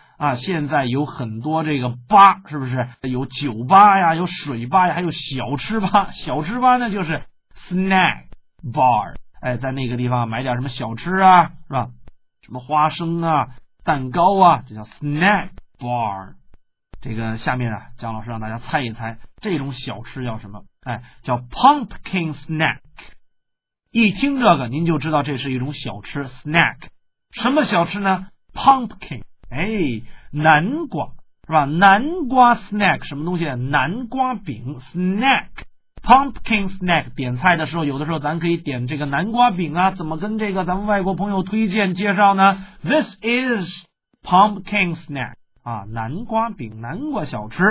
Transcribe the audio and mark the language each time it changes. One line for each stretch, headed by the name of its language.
Chinese: 啊，现在有很多这个吧，是不是？有酒吧呀，有水吧呀，还有小吃吧。小吃吧呢，就是 snack bar， 哎，在那个地方买点什么小吃啊，是吧？什么花生啊，蛋糕啊，这叫 snack bar。这个下面啊，姜老师让大家猜一猜，这种小吃叫什么？哎，叫 pumpkin snack。一听这个，您就知道这是一种小吃 snack。什么小吃呢 ？pumpkin。哎，南瓜是吧？南瓜 snack 什么东西？南瓜饼 snack， pumpkin snack。点菜的时候，有的时候咱可以点这个南瓜饼啊。怎么跟这个咱们外国朋友推荐介绍呢 ？
English: This is pumpkin snack
Chinese: 啊，南瓜饼，南瓜小吃。